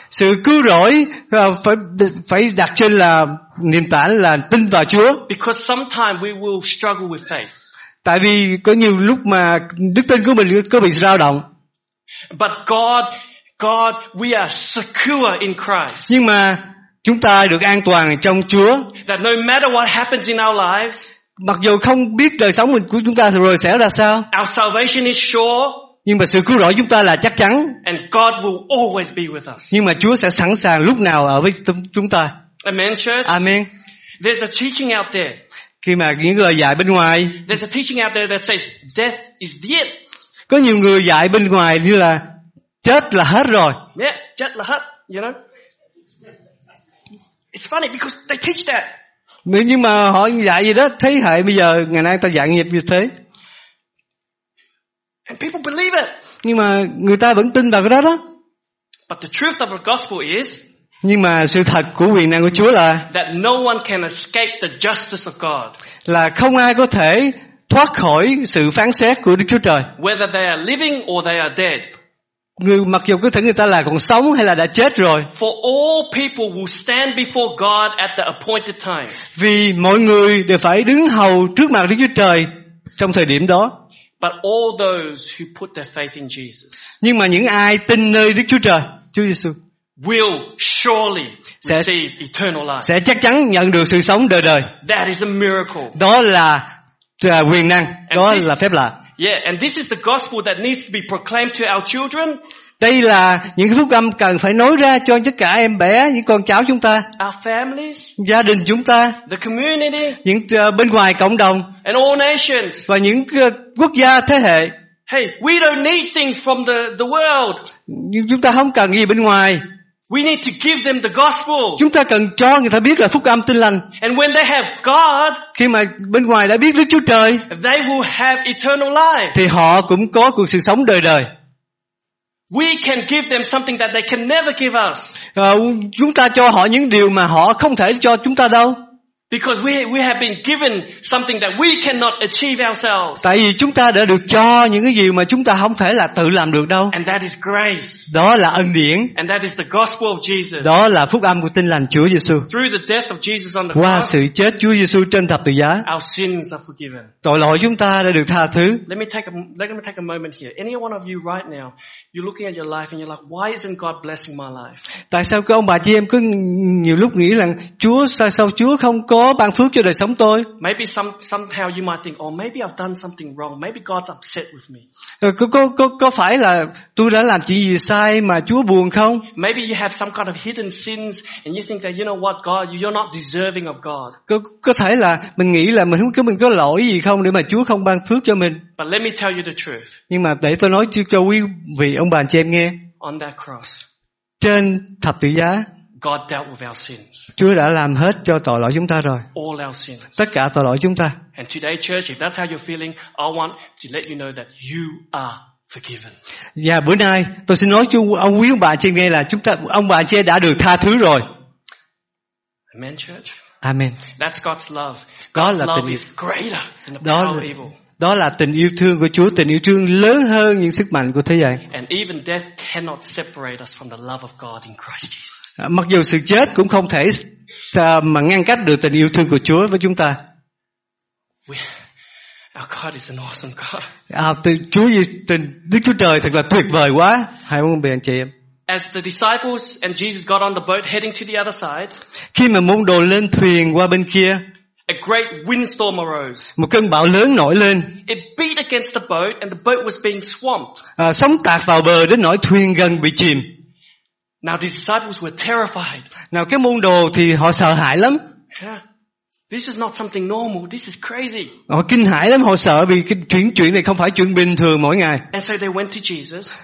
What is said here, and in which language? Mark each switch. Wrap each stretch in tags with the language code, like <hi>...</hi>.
<vi>Sự cứu rỗi phải đặt trên là nền tảng là tin vào Chúa.</vi> <en>Because sometimes we will struggle with faith.</en> <vi>Tại vì có nhiều lúc mà đức tin của mình có bị dao động.</vi> <en>But God, we are secure in Christ.</en> <vi>Nhưng mà chúng ta được an toàn trong Chúa.</vi> <en>That no matter what happens in our lives,</en> <vi>mặc dù không biết đời sống mình của chúng ta rồi sẽ ra sao,</vi> <en>our salvation is sure,</en> <vi>nhưng mà sự cứu rỗi chúng ta là chắc chắn.</vi> <en>And God will always be with us.</en> <vi>Nhưng mà Chúa sẽ sẵn sàng lúc nào ở với chúng ta.</vi> <en>Amen, church. Amen. There's a teaching out there.</en> <vi>Khi mà những lời dạy bên ngoài.</vi> <en>There's a teaching out there that says death is the end.</en> <vi>Có nhiều người dạy bên ngoài như là chết là hết rồi. Yeah, chết là hết,</vi> <en>you know. It's funny because they teach that.</en> <vi>Nhưng mà họ dạy gì đó, thế hệ bây giờ ngày nay ta dạy nghiệp như thế.</vi> <en>And people believe it.</en> <vi>Nhưng mà người ta vẫn tin vào cái đó đó.</vi> <en>But the truth of the gospel is,</en> <vi>nhưng mà sự thật của quyền năng của Chúa là</vi> <en>that no one can escape the justice of God.</en> <vi>Là không ai có thể thoát khỏi sự phán xét của Đức Chúa Trời.</vi> <en>Whether they are living or they are dead.</en> <vi>Người mặc dù có thể người ta là còn sống hay là đã chết rồi.</vi> <en>For all people will stand before God at the appointed time.</en> <vi>Vì mọi người đều phải đứng hầu trước mặt Đức Chúa Trời trong thời điểm đó.</vi> <en>But all those who put their faith in Jesus.</en> <vi>Nhưng mà những ai tin nơi Đức Chúa Trời, Chúa Giêsu,</vi> <en>will surely receive eternal life.</en> <vi>Sẽ chắc chắn nhận được sự sống đời đời.</vi> <en>That is a miracle.</en> <vi>Đó là quyền năng, đó là phép lạ.</vi> <en>Yeah, and this is the gospel that needs to be proclaimed to our children.</en> <vi>Đây là những phúc âm cần phải nói ra cho tất cả em bé, những con cháu chúng ta.</vi> <en>Our families.</en> <vi>Gia đình chúng ta.</vi> <en>The community.</en> <vi>Những bên ngoài cộng đồng.</vi> <en>And all nations.</en> <vi>Và những quốc gia thế hệ.</vi> <en>Hey, we don't need things from the world.</en> <vi>Chúng ta không cần gì bên ngoài.</vi> <en>We need to give them the gospel.</en> <vi>Chúng ta cần cho người ta biết là phúc âm tin lành.</vi> <en>And when they have God,</en> <vi>khi mà bên ngoài đã biết Đức Chúa Trời,</vi> <en>they will have eternal life.</en> <vi>Thì họ cũng có cuộc sự sống đời đời.</vi> <en>We can give them something that they can never give us.</en> <vi>Chúng ta cho họ những điều mà họ không thể cho chúng ta đâu.</vi> <en>Because we have been given something that we cannot achieve ourselves.</en> <vi>Tại vì chúng ta đã được cho những cái gì mà chúng ta không thể là tự làm được đâu.</vi> <en>And that is grace.</en> <vi>Đó là ân điển.</vi> <en>And that is the gospel of Jesus.</en> <vi>Đó là phúc âm của tin lành Chúa Giêsu.</vi> <en>Through the death of Jesus on the</en> <vi>cross. Qua sự chết Chúa Giêsu trên thập tự giá.</vi> <en>Our sins are forgiven.</en> <vi>Tội lỗi chúng ta đã được tha thứ.</vi> <en>Let me take a moment here. Any one of you right now, you're looking at your life and you're like, why isn't God blessing my life?</en> <vi>Tại sao các ông bà chị em cứ nhiều lúc nghĩ rằng Chúa sao Chúa không có ban phước cho đời sống tôi.</vi> <en>Maybe somehow you might think, oh, maybe I've done something wrong. Maybe God's upset with me.</en> <vi>Có phải là tôi đã làm chuyện gì sai mà Chúa buồn không?</vi> <en>Maybe you have some kind of hidden sins and you think that, you know what, God, you're not deserving of God.</en> <vi>Có thể là mình nghĩ là mình có lỗi gì không để mà Chúa không ban phước cho mình.</vi> <en>But let me tell you the truth.</en> <vi>Nhưng mà để tôi nói cho quý vị ông bà anh chị em nghe.</vi> <en>On that cross.</en> <vi>Trên thập tự giá.</vi> <en>God dealt with our sins.</en> <vi>Chúa đã làm hết cho tội lỗi chúng ta rồi.</vi> <en>All our sins.</en> <vi>Tất cả tội lỗi chúng ta.</vi> <en>And today, church, if that's how you're feeling, I want to let you know that you are forgiven.</en> <vi>Và bữa nay tôi xin nói cho ông quý ông bà chị nghe là chúng ta ông bà chị đã được tha thứ rồi.</vi> <en>Amen, church. Amen. That's God's love. God's love is greater than the power of evil.</en> <vi>Đó là tình yêu thương của Chúa, tình yêu thương lớn hơn những sức mạnh của thế gian.</vi> <en>And even death cannot separate us from the love of God in Christ Jesus.</en> <vi>Mặc dù sự chết cũng không thể mà ngăn cách được tình yêu thương của Chúa với chúng ta.</vi> <en>Our God is an awesome God.</en> <vi>Đức Chúa Trời thật là tuyệt vời quá. Hãy ông bà anh chị em.</vi> <en>As the disciples and Jesus got on the boat heading to the other side.</en> <vi>Khi mà môn đồ lên thuyền qua bên kia.</vi> <en>A great windstorm arose.</en> <vi>Một cơn bão lớn nổi lên.</vi> <en>It beat against the boat and the boat was being swamped.</en> <vi>Sóng tạt vào bờ đến nỗi thuyền gần bị chìm.</vi> <en>Now the disciples were terrified.</en> <vi>Nào cái môn đồ thì họ sợ hãi lắm.</vi> <en>Yeah. This is not something normal. This is crazy.</en> <vi>Họ kinh hãi lắm, họ sợ vì cái chuyện này không phải chuyện bình thường mỗi ngày.</vi> <en>And so they went to Jesus.</en>